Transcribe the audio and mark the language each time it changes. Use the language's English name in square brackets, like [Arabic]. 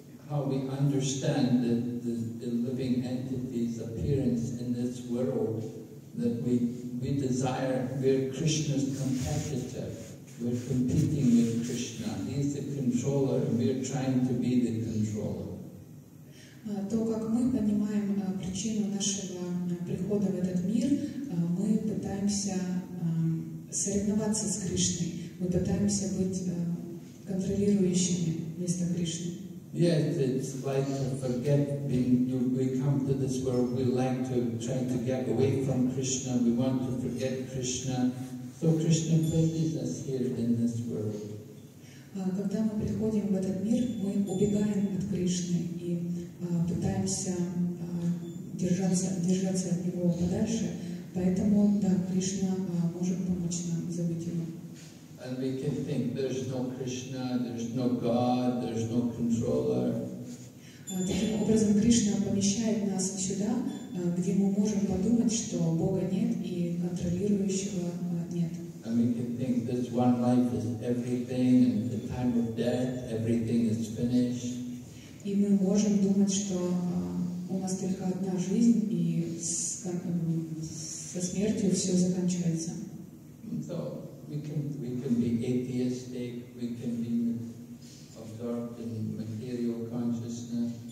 [English] How we understand the living entity's appearance in this world. That we desire, we're Krishna's competitor. We're competing with Krishna. He's the controller, and we're trying to be the controller. [Russian] То, как мы понимаем причину нашего прихода в этот мир, мы пытаемся соревноваться с Кришной. Мы пытаемся быть контролирующими вместо Кришны. [English] Yes, it's like to forget being, we come to this world, we like to try to get away from Krishna, we want to forget Krishna. So Krishna places us here in this world. [Russian] Когда мы приходим в этот мир, мы убегаем от Кришны и пытаемся держаться от него подальше. Поэтому, да, Кришна может помочь нам забыть его. [English] And we can think there's no Krishna, there's no God, there's no controller. [Russian] Таким образом, Кришна помещает нас сюда, где мы можем подумать, что Бога нет и контролирующего нет. [English] And we can think this one life is everything, and the time of death, everything is finished. [Russian] И мы можем думать, что у нас только одна жизнь, и со смертью все заканчивается. [English] So, We can be atheistic, we can be absorbed in material consciousness.